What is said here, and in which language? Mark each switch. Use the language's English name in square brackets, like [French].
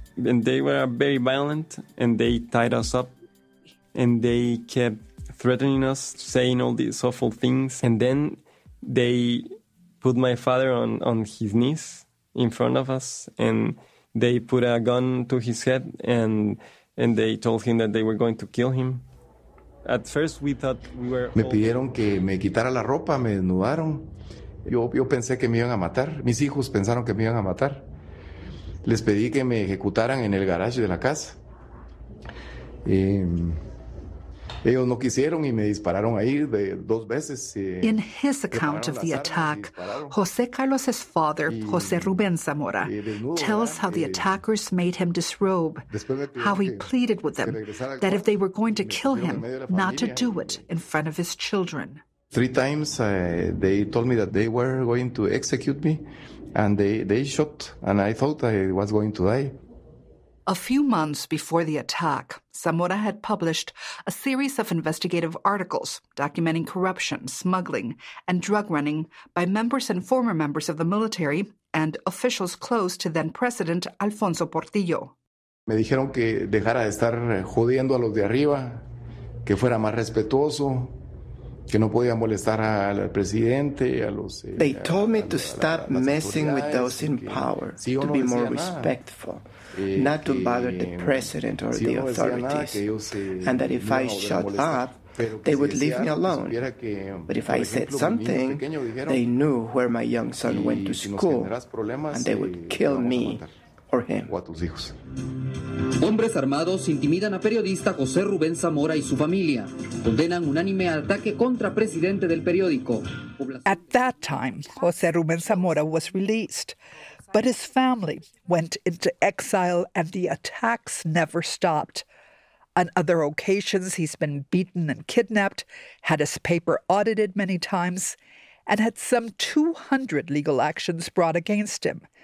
[English] And they were very violent, and they tied us up, and they kept threatening us, saying all these awful things. And then they put my father on his knees in front of us, and they put a gun to his head, and they told him that they were going to kill him. At first, we thought we were... [Spanish] Me pidieron que me quitara la ropa, me desnudaron. Yo pensé que me iban a matar. Mis hijos pensaron que me iban a matar. Les pedí que me ejecutaran en el garaje de la casa. Ellos no quisieron y me dispararon ahí de dos veces. [English] In his account of the attack, José Carlos's father, José Rubén Zamora, tells how the attackers made him disrobe, how he pleaded with them that if they were going to kill him, not to do it in front of his children. Three times they told me that they were going to execute me, and they shot, and I thought I was going to die. A few months before the attack, Zamora had published a series of investigative articles documenting corruption, smuggling, and drug running by members and former members of the military and officials close to then-President Alfonso Portillo. [Spanish] Me dijeron que dejara de estar jodiendo a los de arriba, que fuera más respetuoso. [English] They told me to stop messing with those in power, to be more respectful, not to bother the president or the authorities, and that if I shut up, they would leave me alone. But if I said something, they knew where my young son went to school, and they would kill me or him. [Spanish] Hombres armados intimidan a periodista José Rubén Zamora y su familia. Condenan unánime al ataque contra presidente del periódico. [English] At that time, José Rubén Zamora was released, but his family went into exile and the attacks never stopped. On other occasions, he's been beaten and kidnapped, had his paper audited many times, and had some 200 legal actions brought against him.